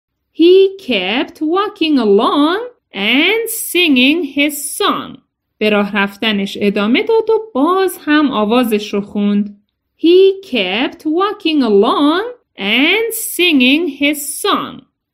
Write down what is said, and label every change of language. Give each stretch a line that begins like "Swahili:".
English: He kept walking along and singing his song.
Persian: به راه رفتنش ادامه داد و باز هم آوازش رو خوند.
English: He kept walking along and singing his song.